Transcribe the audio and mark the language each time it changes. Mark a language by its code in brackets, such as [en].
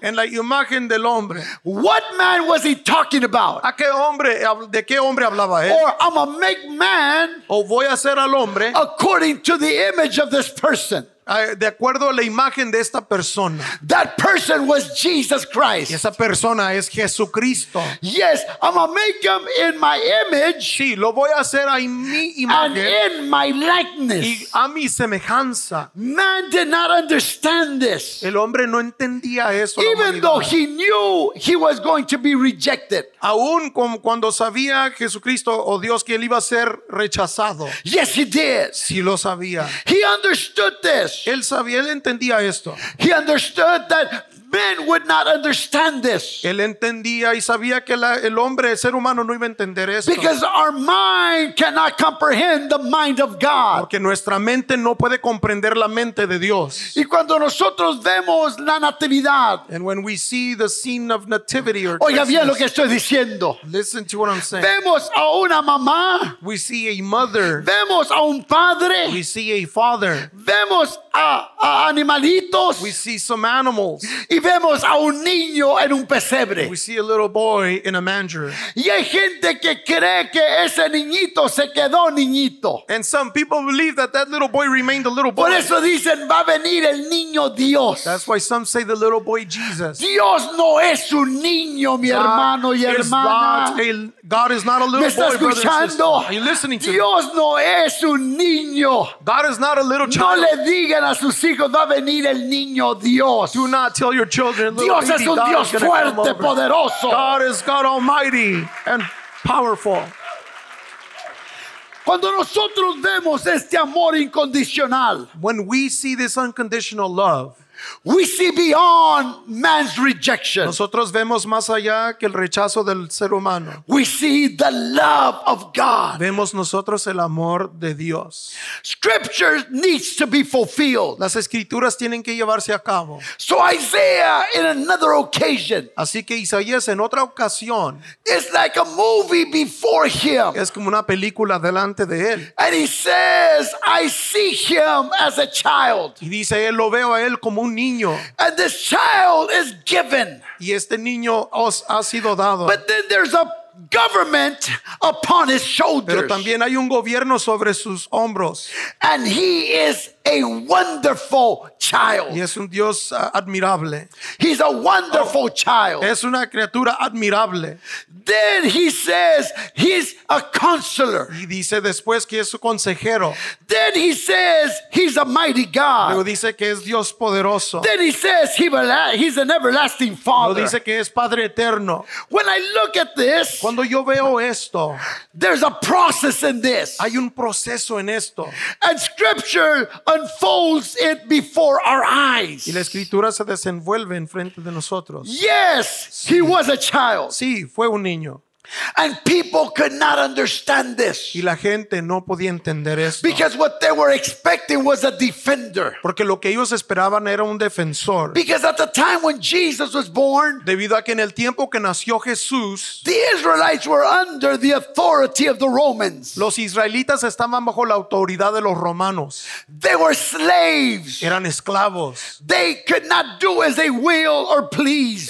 [es] En la imagen del hombre. [en] What man was he talking about? [es] ¿A qué hombre, de qué hombre hablaba él? [en] Or I'm gonna make man. [es] O voy a hacer al hombre. [en] According to the image of this person. [es] De acuerdo a la imagen de esta persona. [en] That person was Jesus Christ. [es] Y esa persona es Jesucristo. [en] Yes, I'm gonna make him in my image. [es] Sí, lo voy a hacer a mi imagen. [en] And in my likeness. [es] Y a mi semejanza. [en] Man did not understand this. [es] El hombre no entendía eso. [en] Even though he knew he was going to be rejected. [es] Aún cuando sabía Jesucristo o Dios que él iba a ser rechazado. [en] Yes, he did. [es] Sí, lo sabía. [en] He understood this. [es] Él sabía, él entendía esto. [en] He understood that Men would not understand this. [es] Él entendía y sabía que el hombre, el ser humano, no iba a entender esto. [en] Because our mind cannot comprehend the mind of God. [es] Porque nuestra mente no puede comprender la mente de Dios. Y cuando nosotros vemos la natividad, [en] and when we see the scene of nativity or [es] Christmas, oiga bien lo que estoy diciendo. [en] Listen to what I'm saying. [es] Vemos a una mamá. [en] We see a mother. [es] Vemos a un padre. [en] We see a father. [es] Vemos a animalitos. [en] We see some animals. [es] Y vemos a un niño en un pesebre. [en] We see a little boy in a manger. [es] Y hay gente que cree que ese niñito se quedó niñito. [en] And some people believe that that little boy remained a little boy. [es] Por eso dicen va a venir el niño Dios. [en] That's why some say the little boy Jesus. [es] Dios no es un niño, mi hermano y hermana. [en] God is not a little boy, brother and sister. Are you listening to me? [es] Dios no es un niño. [en] God is not a little child. [es] No le digan a sus hijos va a venir el niño Dios. [en] Do not tell your children, little [es] Dios [en] baby, [es] es un [en] God [es] Dios [en] is [es] fuerte, poderoso. [en] God is God Almighty and powerful. [es] Cuando nosotros vemos este amor incondicional, [en] when we see this unconditional love, we see beyond man's rejection. [es] Nosotros vemos más allá que el rechazo del ser humano. [en] We see the love of God. [es] Vemos nosotros el amor de Dios. [en] Scripture needs to be fulfilled. [es] Las escrituras tienen que llevarse a cabo. [en] So Isaiah in another occasion. [es] Así que Isaías en otra ocasión. [en] It's like a movie before him. [es] Es como una película delante de él. [en] And he says, I see him as a child. [es] Y dice, él lo veo a él como un niño. [en] And this child is given. [es] Y este niño os ha sido dado. [en] But then there's a government upon his shoulders. [es] Pero también hay un gobierno sobre sus hombros. [en] And he is a wonderful child. [es] Y es un Dios admirable. [en] He's a wonderful child. [es] Es una criatura admirable. [en] Then he says he's a counselor. [es] Y dice después que es su consejero. [en] Then he says he's a mighty God. [es] Luego dice que es Dios poderoso. [en] Then he says he's an everlasting father. [es] Luego dice que es padre eterno. [en] When I look at this, [es] cuando yo veo esto, [en] there's a process in this. [es] Hay un proceso en esto. [en] And scripture unfolds it before our eyes. [es] Y la escritura se desenvuelve en frente de nosotros. [en] Yes, he was a child. [es] Sí, fue un niño. [en] And people could not understand this. [es] Y la gente no podía entender esto. [en] Because what they were expecting was a defender. [es] Porque lo que ellos esperaban era un defensor. [en] Because at the time when Jesus was born, [es] debido a que en el tiempo que nació Jesús, [en] the Israelites were under the authority of the Romans. [es] Los israelitas estaban bajo la autoridad de los romanos. [en] They were slaves. [es] Eran esclavos. [en] They could not do as they will or please.